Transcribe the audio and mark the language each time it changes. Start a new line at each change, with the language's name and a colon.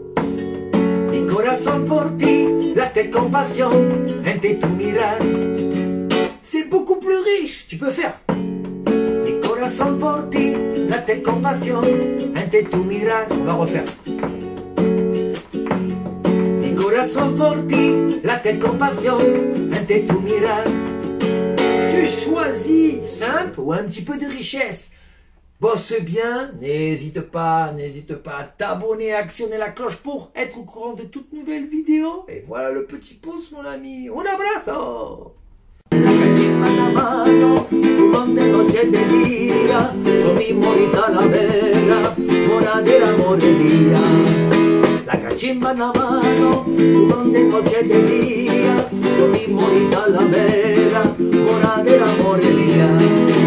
Spanish: Mi corazón por ti, late con pasión, mente tu mirar.
French: C'est beaucoup plus riche, tu peux faire.
Spanish: Mi corazón por ti, late con pasión, mente tu mirar.
French: On va refaire.
Spanish: Mi corazón corazón por ti late con pasión ante tu mirar.
French: Tu choisis simple ou un petit peu de richesse. Bosse bien, n'hésite pas à t'abonner, à actionner la cloche pour être au courant de toutes nouvelles vidéos. Et voilà le petit pouce, mon ami.
Spanish: Un abrazo! La cachimba en la mano, fumando en coche de día, con mi morita a la vera, moradera morelía. La cachimba en la mano, fumando en coche de día, con mi morita a la vera, moradera morelía.